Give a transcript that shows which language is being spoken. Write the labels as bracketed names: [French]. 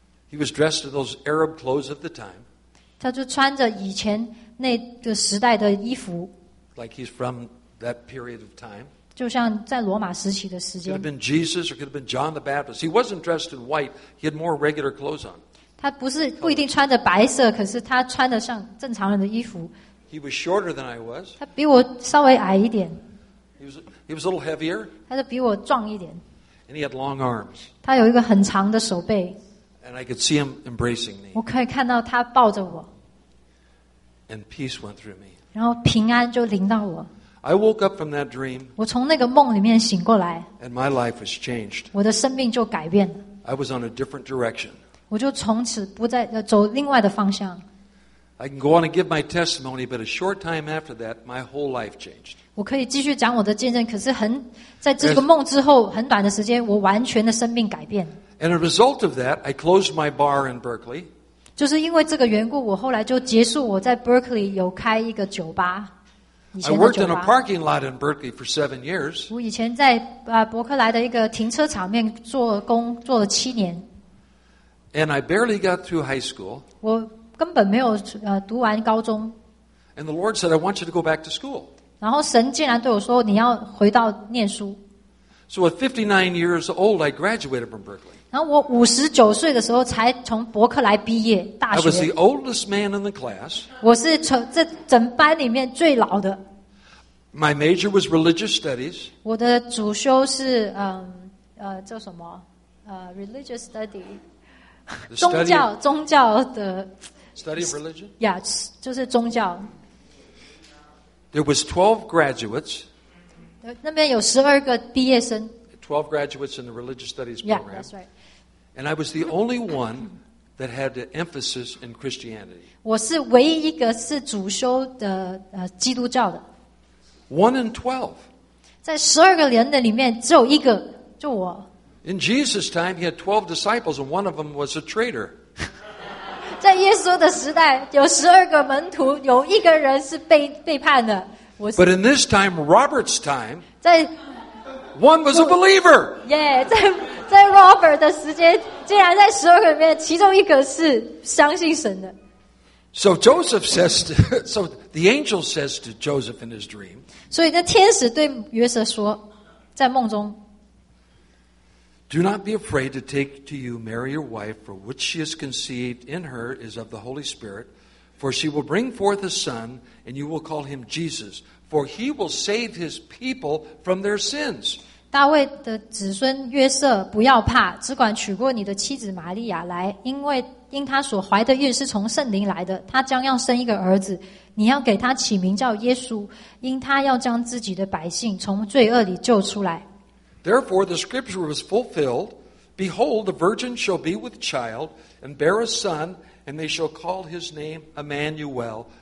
[English] He was dressed in those Arab clothes of the time. [Chinese] 他就穿着以前那个时代的衣服。 [English] Like he's from that period of time. [Chinese] 就像在罗马时期的时间。 [English] Could have been Jesus or could have been John the Baptist. He wasn't dressed in white. He had more regular clothes on. [Chinese] 他不是不一定穿着白色，可是他穿的像正常人的衣服。 [English] He was shorter than I was. [Chinese] 他比我稍微矮一点。 [English] He was a little heavier. [Chinese] 他就比我壮一点。 [English] And he had long arms. [Chinese] 他有一个很长的手背。 [English] And I could see him embracing me. [Chinese] 我可以看到他抱着我。 [English] And peace went through me. [Chinese] 然后平安就临到我。 [English] I woke up from that dream. [Chinese] 我从那个梦里面醒过来。 [English] And my life was changed. [Chinese] 我的生命就改变了。 [English] I was on a different direction. [Chinese] 我就从此不再走另外的方向。 [English] I can go on and give my testimony, but a short time after that, my whole life changed. [Chinese] 我可以继续讲我的见证，可是很在这个梦之后很短的时间，我完全的生命改变。 [English] And a result of that, I closed my bar in Berkeley. [Chinese] 就是因为这个缘故，我后来就结束我在 Berkeley 有开一个酒吧。 [English] I worked in a parking lot in Berkeley for 7 years. [Chinese] 我以前在伯克莱的一个停车场面做工做了七年。 [English] And I barely got through high school. [Chinese] 我根本没有读完高中。 [English] And the Lord said, "I want you to go back to school." [Chinese] 然后神竟然对我说，你要回到念书。 [English] So at 59 years old, I graduated from Berkeley. [Chinese] 然后我59岁的时候才从伯克莱毕业大学。 [English] I was the oldest man in the class. [Chinese] 我是这整班里面最老的。 [English] My major was religious studies. [Chinese] 我的主修是叫什么 [English] religious study. [Chinese] 宗教的。 [English] Study of religion? Yeah, [Chinese] 就是宗教。 [English] There was 12 graduates. [Chinese] 那边有12个毕业生。 [English] 12 graduates in the religious studies program. Yeah, that's right. And I was the only one that had an emphasis in Christianity. [Chinese] 我是唯一一个是主修的基督教的。 [English] One in 12. [Chinese] 在12个人的里面只有一个，就我。 [English] In Jesus' time, he had 12 disciples, and one of them was a traitor. [Chinese] 在耶稣的时代，有12个门徒，有一个人是背叛的。 [English] But in this time, Robert's time, [Chinese] 在 [English] one was a believer. Yeah, [Chinese] 在 Robert 的时间，竟然在十二个里面，其中一个是相信神的。 [English] So Joseph says, so the angel says to Joseph in his dream. [Chinese] 所以那天使对约瑟说，在梦中 [English] ，Do not be afraid to take to you Mary your wife, for what she has conceived in her is of the Holy Spirit. For she will bring forth a son, and you will call him Jesus. For he will save his people from their sins. [Chinese] 大卫的子孙约瑟不要怕，只管娶过你的妻子玛利亚来，因他所怀的孕是从圣灵来的。他将要生一个儿子，你要给他起名叫耶稣，因他要将自己的百姓从罪恶里救出来。 [English] Therefore, the scripture was fulfilled. Behold, the virgin shall be with child and bear a son. And they shall call his name Emmanuel.